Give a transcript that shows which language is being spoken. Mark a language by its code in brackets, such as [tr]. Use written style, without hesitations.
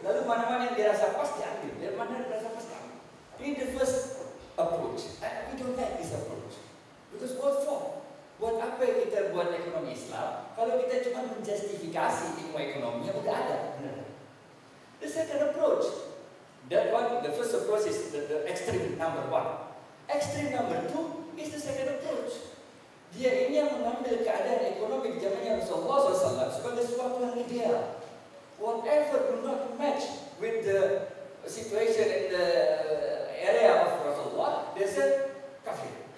[id] Lalu mana-mana yang dia rasa pas diambil. Dia mana yang rasa pas diambil. Ini [en] the first approach. We don't like this approach. Because what for? [id] Buat apa kita buat ekonomi Islam? Kalau kita cuma menjustifikasi ilmu ekonomi yang udah ada. [en] The second approach. That one, the first approach is the extreme number one. Extreme number two is the second approach. [id] Dia ini yang mengambil keadaan ekonomi di zamannya Rasulullah SAW sebagai sesuatu yang ideal. [en] Whatever do not match with the situation in the area of Rasulullah, they said kafir.